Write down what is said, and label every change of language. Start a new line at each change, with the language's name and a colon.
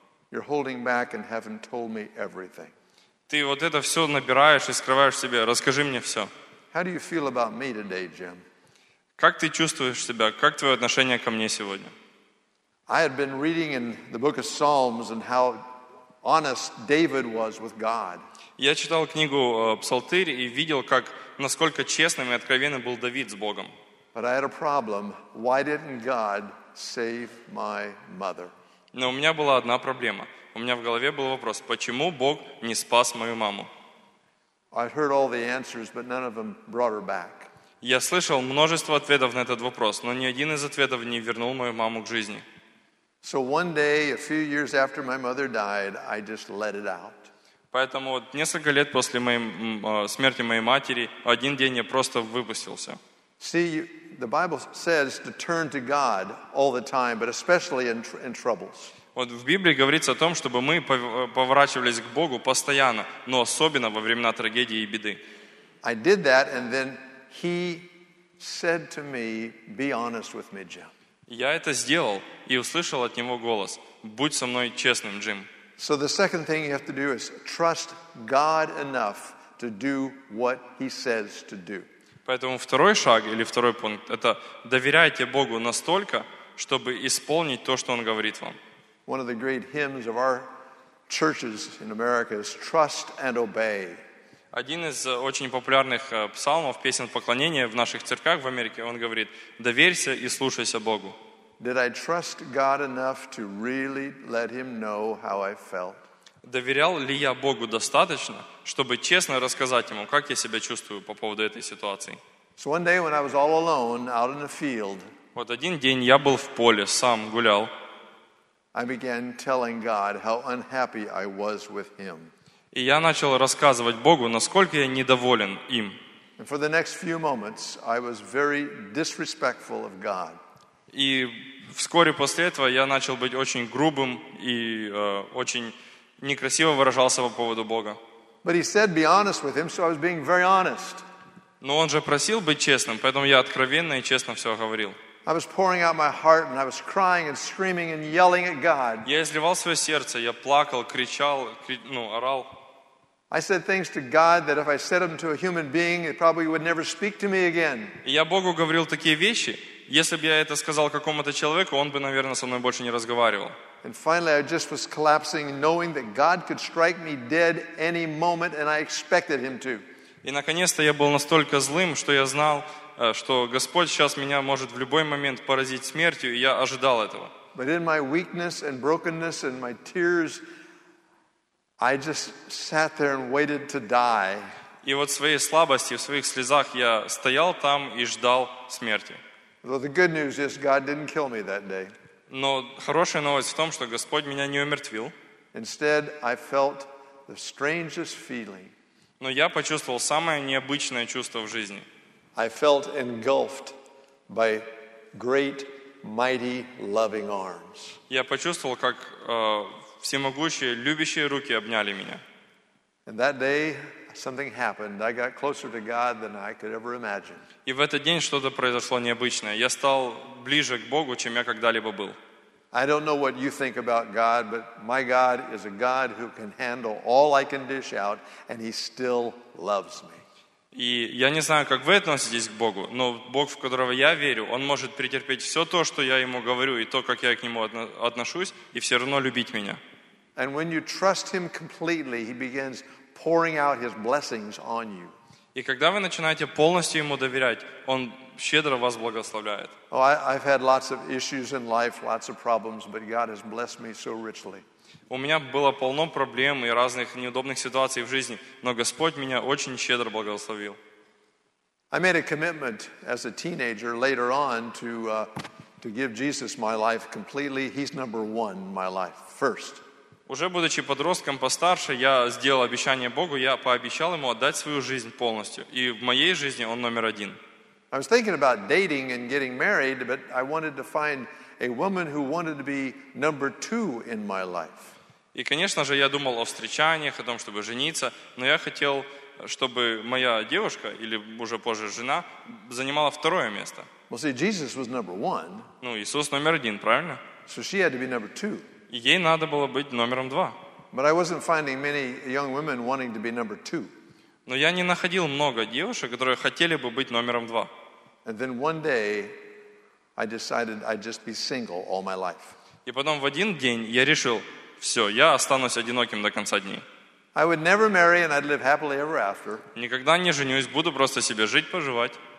English: You're holding back and haven't told me everything.
Russian: Ты вот это все набираешь и скрываешь себе. Расскажи мне все.
English: How do you feel about me today, Jim?
Russian: Как ты чувствуешь себя? Как твое отношение ко мне сегодня?
English: I had been reading in the book of Psalms and how honest David was with God.
Russian: Я читал книгу Псалтырь и видел, как насколько честным и откровенным был Давид с Богом.
English: But I had a problem. Why didn't God save my mother?
Russian: Но у меня была одна проблема. У меня в голове был вопрос: почему Бог не спас мою маму?
English: I heard all the answers, but none of them brought her back.
Russian: Я слышал множество ответов на этот вопрос, но ни один из ответов не вернул мою маму к жизни.
English: So one day, a few years after my mother died, I just let it out.
Russian: Поэтому вот несколько лет после смерти моей матери, один день я просто выпустился.
English: See, the Bible says to turn to God all the time, but especially in troubles.
Russian: Вот в Библии говорится о том, чтобы мы поворачивались к Богу постоянно, но особенно во времена трагедии и беды.
English: I did that, and then He said to me, "Be honest with me, Jim."
Russian: Я это сделал и услышал от него голос: "Будь со мной честным, Джим."
English: So the second thing you have to do is trust God enough to do what He says to do.
Russian: Поэтому второй шаг или второй пункт – это доверяйте Богу настолько, чтобы исполнить то, что Он говорит вам.
English: One of the great hymns of our churches in America is "Trust and Obey."
Russian: Один из очень популярных псалмов, песен поклонения в наших церквях в Америке, он говорит: «Доверься и слушайся Богу».
English: Did I trust God enough to really let Him know how I felt?
Russian: Доверял ли я Богу достаточно, чтобы честно рассказать Ему, как я себя чувствую по поводу этой ситуации?
English: So one day, when I was all alone, out in the field,
Russian: вот один день я был в поле, сам гулял.
English: I began telling God how unhappy I was with Him.
Russian: И я начал рассказывать Богу, насколько я недоволен им.
English: And for the next few moments, I was very disrespectful of God.
Russian: И вскоре после этого я начал быть очень грубым и очень некрасиво выражался по поводу Бога.
English: But He said, "Be honest with Him," so I was being very honest.
Russian: Но Он же просил быть честным, поэтому я откровенно и честно все говорил.
English: I was pouring out my heart and I was crying and screaming and yelling at God.
Russian: Я изливал свое сердце, я плакал, кричал, орал.
English: I said things to God that if I said them to a human being, it probably would never speak to me again.
Russian: Я Богу говорил такие вещи: если бы я это сказал какому-то человеку, он бы, наверное, со мной больше не разговаривал.
English: And finally I just was collapsing, knowing that God could strike me dead any moment, and I expected Him to.
Russian: И наконец-то я был настолько злым, что я знал, что Господь сейчас меня может в любой момент поразить смертью, и я ожидал этого.
English: But in my weakness and brokenness and my tears, I just sat there and waited to die.
Russian: И вот в своей слабости, в своих слезах я стоял там и ждал смерти.
English: Well, the good news is God didn't kill me that day.
Russian: Но хорошая новость в том, что Господь меня не умертвил.
English: Instead, I felt the strangest feeling.
Russian: Но я почувствовал самое необычное чувство в жизни.
English: I felt engulfed by great, mighty, loving arms.
Russian: Я почувствовал, как всемогущие, любящие руки обняли меня.
English: And that day, something happened. I got closer to God than I could ever imagine.
Russian: И в этот день что-то произошло необычное. Я стал ближе к Богу, чем я когда-либо был.
English: I don't know what you think about God, but my God is a God who can handle all I can dish out, and He still loves me.
Russian: И я не знаю, как вы относитесь к Богу, но Бог, в которого я верю, Он может претерпеть все то, что я Ему говорю, и то, как я к Нему отношусь, и все равно любить меня.
English: And when you trust Him completely, He begins pouring out His blessings on you.
Russian: И когда вы начинаете полностью Ему доверять, Он щедро вас благословляет.
English: Oh, I've had lots of issues in life, lots of problems, but God has blessed me so richly.
Russian: У меня было полно проблем и разных неудобных ситуаций в жизни, но Господь меня очень щедро благословил.
English: I made a commitment as a teenager later on to give Jesus my life completely. He's number one in my life, first.
Russian: Уже будучи подростком, постарше, я сделал обещание Богу, я пообещал Ему отдать свою жизнь полностью. И в моей жизни Он номер один.
English: I was thinking about dating and getting married, but I wanted to find a woman who wanted to be number two in my life.
Russian: И, конечно же, я думал о встречаниях, о том, чтобы жениться, но я хотел, чтобы моя девушка, или уже позже жена, занимала второе место.
English: Well, see, Jesus was number one.
Russian: Ну, Иисус номер один, правильно?
English: So she had to be number two.
Russian: Ей надо было быть номером два.
English: But I wasn't finding many young women wanting to be number two.
Russian: Но я не находил много девушек, которые хотели бы быть номером два.
English: And then one day, I decided I'd just be single all my life.
Russian: И потом в один день я решил, все, я останусь одиноким до конца дней.
English: I would never marry and I'd live happily ever after.
Russian: Никогда не женюсь, буду просто себе жить, поживать.